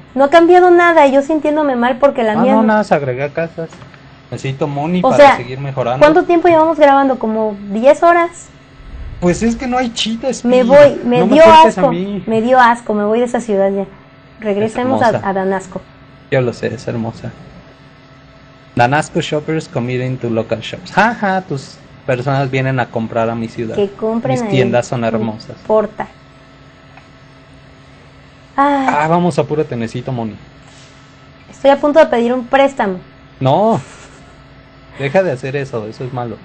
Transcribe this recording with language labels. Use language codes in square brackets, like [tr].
[es] No ha cambiado nada y yo sintiéndome mal porque la mía... No, nada, se agregué casas. Necesito money para seguir mejorando. ¿Cuánto tiempo llevamos grabando? ¿Como 10 horas? Pues es que no hay chistes. Me voy, me dio asco. Me dio asco, me voy de esa ciudad ya. Regresemos a Danasco. Yo lo sé, es hermosa. [en] Danasco shoppers come into local shops. [es] Ja, ja, tus personas vienen a comprar a mi ciudad. Que compren ahí. Mis tiendas son hermosas. No importa. Ah, vamos, apúrate, necesito money. Estoy a punto de pedir un préstamo. No, deja de hacer eso es malo.